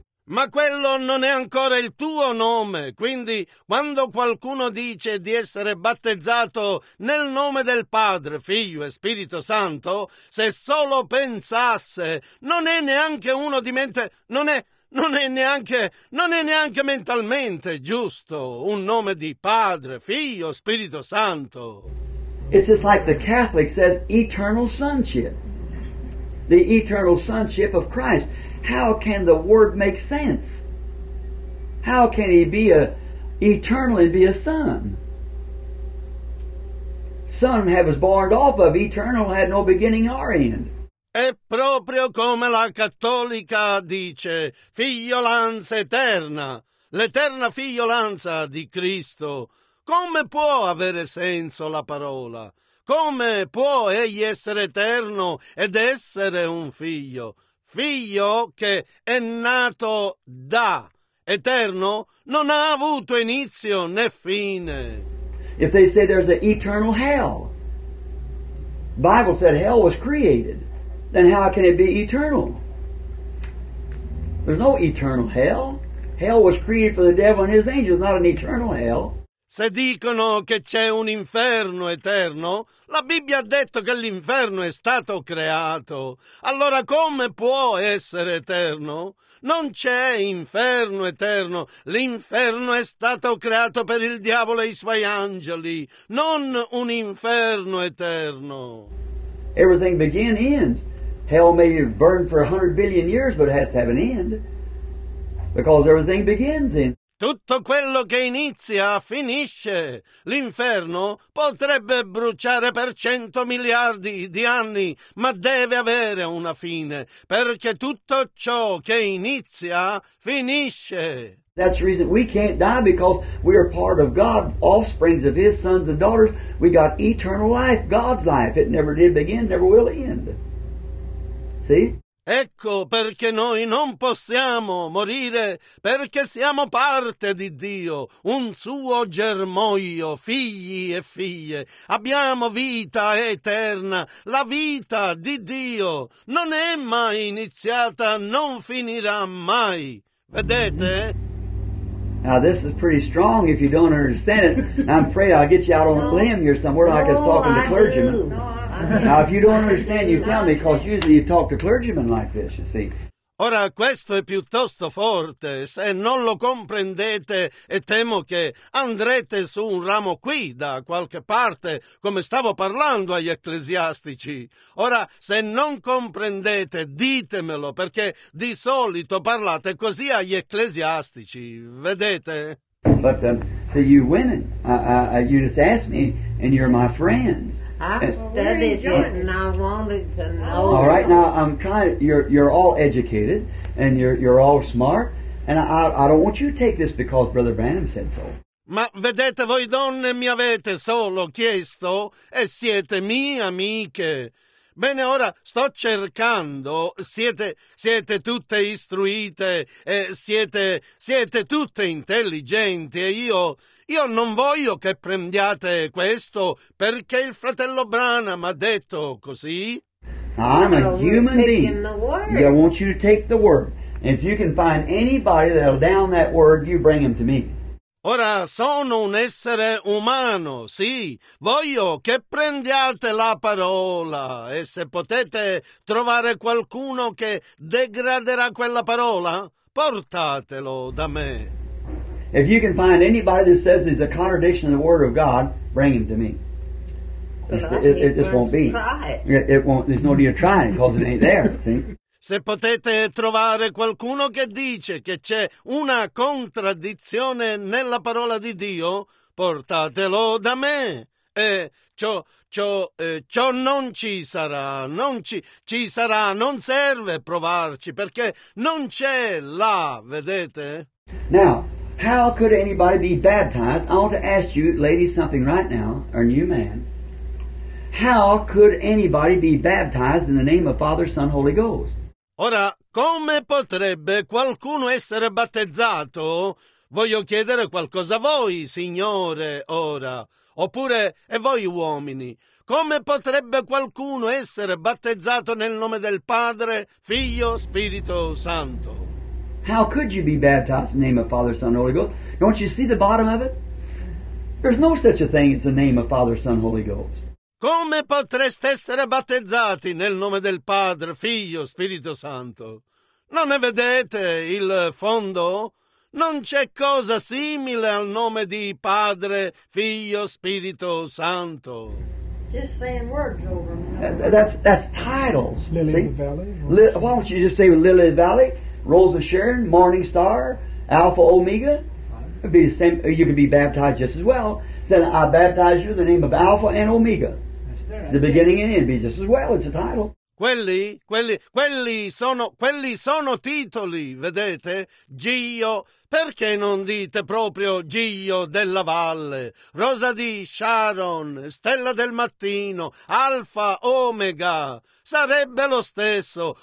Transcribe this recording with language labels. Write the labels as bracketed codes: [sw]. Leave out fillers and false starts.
[it] ma quello non è ancora il tuo nome. Quindi, quando qualcuno dice di essere battezzato nel nome del Padre, Figlio e Spirito Santo, se solo pensasse, non è neanche uno di mente, non è neanche mentalmente giusto un nome di Padre, Figlio, Spirito Santo. [en] It's just like the Catholic says eternal sonship. The eternal sonship of Christ. How can the word make sense? How can he be eternal and be a son? Son was born off of, eternal had no beginning or end. [it] È proprio come la cattolica dice, figliolanza eterna, l'eterna figliolanza di Cristo. Come può avere senso la parola? Come può egli essere eterno ed essere un figlio? Figlio che è nato da eterno non ha avuto inizio né fine. [en] If they say there's an eternal hell, Bible said hell was created, then how can it be eternal? There's no eternal hell. Hell was created for the devil and his angels, not an eternal hell. [it] Se dicono che c'è un inferno eterno, la Bibbia ha detto che l'inferno è stato creato. Allora come può essere eterno? Non c'è inferno eterno. L'inferno è stato creato per il diavolo e i suoi angeli, non un inferno eterno. [en] Everything begins, ends. Hell may burn for 100 billion years, but it has to have an end. Because everything begins in. [it] Tutto quello che inizia finisce. L'inferno potrebbe bruciare per 100 miliardi di anni, ma deve avere una fine, perché tutto ciò che inizia finisce. [en] That's the reason we can't die, because we are part of God, offsprings of His sons and daughters. We got eternal life, God's life. It never did begin, never will end. See? [it] Ecco perché noi non possiamo morire, perché siamo parte di Dio, un suo germoglio, figli e figlie. Abbiamo vita eterna, la vita di Dio non è mai iniziata, non finirà mai. Vedete? [en] Now this is pretty strong if you don't understand it. I'm afraid I'll get you out on a limb here somewhere, like us talking to clergymen. Now if you don't understand, you tell me, because usually you talk to clergymen like this, you see. [it] Ora questo è piuttosto forte. Se non lo comprendete, e temo che andrete su un ramo qui da qualche parte, come stavo parlando agli ecclesiastici. Ora, se non comprendete, ditemelo, perché di solito parlate così agli ecclesiastici. Vedete? [en] But to you women, you just ask me, and you're my friends. I studied it and I wanted to know. All right, now I'm trying. You're all educated, and you're all smart, and I don't want you to take this because Brother Branham said so. [it] Ma vedete, voi donne mi avete solo chiesto e siete mie amiche. Bene, ora sto cercando, siete tutte istruite, siete tutte intelligenti, e io non voglio che prendiate questo perché il fratello Branham ha detto così. [en] I'm a human being. I want you to take the word. If you can find anybody that'll down that word, you bring him to me. [it] Ora sono un essere umano, sì, voglio che prendiate la parola, e se potete trovare qualcuno che degraderà quella parola, portatelo da me. [en] If you can find anybody that says there's a contradiction in the Word of God, bring him to me. It just won't be. There's no need to try it because it ain't there, see? [it] Se potete trovare qualcuno che dice che c'è una contraddizione nella parola di Dio, portatelo da me. E ciò non ci sarà, non ci sarà, non serve provarci, perché non c'è là, vedete? [en] Now, how could anybody be baptized? I want to ask you, ladies, something right now, or new man. How could anybody be baptized in the name of Father, Son, Holy Ghost? [it] Ora, come potrebbe qualcuno essere battezzato? Voglio chiedere qualcosa a voi, Signore, ora. Oppure, e voi uomini, come potrebbe qualcuno essere battezzato nel nome del Padre, Figlio, Spirito Santo? [en] How could you be baptized in the name of Father, Son, and Holy Ghost? Don't you see the bottom of it? There's no such a thing as the name of Father, Son, Holy Ghost. [it] Come potreste essere battezzati nel nome del Padre, Figlio, Spirito Santo? Non ne vedete il fondo? Non c'è cosa simile al nome di Padre, Figlio, Spirito Santo. [en] Just saying words over them. That's titles. Lily see? Valley. Why don't you just say Lily Valley, Rose of Sharon, Morning Star, Alpha Omega? It'd be the same. You could be baptized just as well. Said, I baptize you in the name of Alpha and Omega. That's the beginning and end. Be just as well. It's a title. [it] Quelli sono titoli, vedete? Gio, perché non dite proprio Gio della Valle? Rosa di Sharon, Stella del Mattino, Alfa, Omega, sarebbe lo stesso.